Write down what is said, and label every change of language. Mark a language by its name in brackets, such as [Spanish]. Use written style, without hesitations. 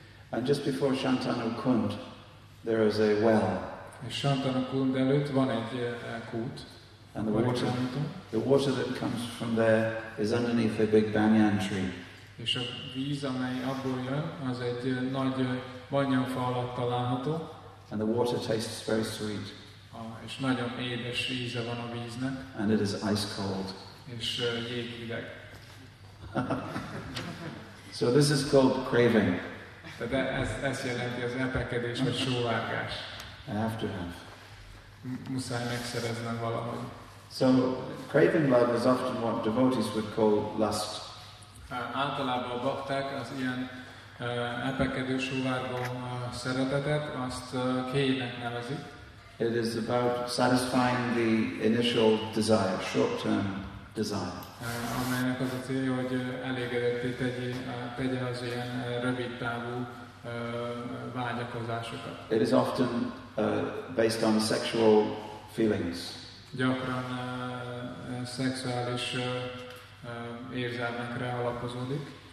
[English] And just before Shantanu Kund, there is a well. [Hungarian] És Shantanu Kund előtt van egy kút. [English] And the water that comes from there is underneath a big banyan tree. [Hungarian] És a víz, amely abból jön, az egy nagy banyanfa alatt található. [English] And the water tastes very sweet. [Hungarian] És nagyon édes íze van a víznek. [English] And it is ice cold. [Hungarian] És jéghideg. [English] So this is called craving. [Hungarian] De ez jelenti az epekedés, vagy sóvárgás. [English] I have to have. [Hungarian] Muszáj megszereznem valahogy. [English] So, craving love is often what devotees would call lust. [Hungarian] Általában a bakták az ilyen epekedő sugárból szeretetet, azt kéjének nevezik. [English] It is about satisfying the initial desire, short-term desire. [Hungarian] Amelynek az a célja, hogy elégedetté tegye az ilyen rövid távú vágyakozásokat. [English] It is often based on sexual feelings. [Hungarian] Gyakran szexuális érzelmekre alapozódik.